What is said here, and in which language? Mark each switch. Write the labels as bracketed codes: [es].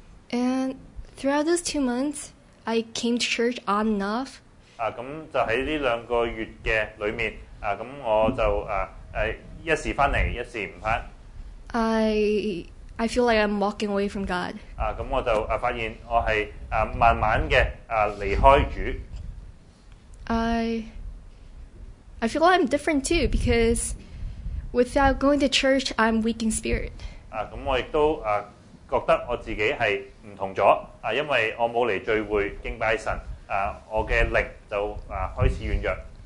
[en] And throughout those 2 months, I came to church on and off. [yue] 咁就喺呢兩個月嘅裏面咁我就一時翻嚟，一時唔翻。 [en] I feel like I'm walking away from God. [yue] 咁我就發現我係慢慢嘅離開主。 [en] I feel like I'm different too because without going to church, I'm weak in spirit. [yue] 咁我亦都覺得我自己係唔同咗因為我冇嚟聚會敬拜神我嘅靈就開始軟弱。